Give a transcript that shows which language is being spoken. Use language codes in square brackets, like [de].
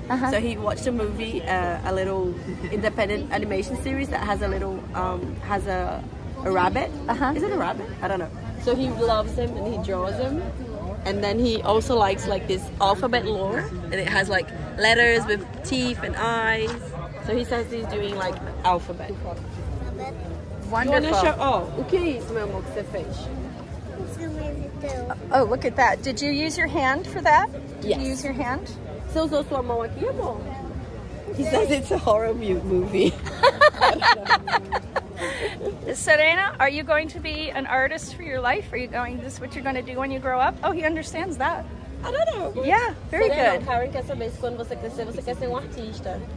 [en] Uh-huh. So he watched a movie, a little independent animation series that has a rabbit. Uh-huh. Is it a rabbit? I don't know. So he loves him and he draws him. And then he also likes like this alphabet lore. And it has like letters with teeth and eyes. So he says he's doing like alphabet. Wonderful. [pt] Oh, o que é isso, meu amor, que você fez? [en] Oh, look at that. Did you use your hand for that? Yes. Did you use your hand? [pt] Você usou sua mão aqui, amor? [en] He says it's a horror movie. Sereno, are you going to be an artist for your life? Are you going, this is what you're going to do when you grow up? Oh, he understands that. I don't know. Yeah, very Sereno, good. [pt] Karen quer saber se quando você crescer, você quer ser um artista.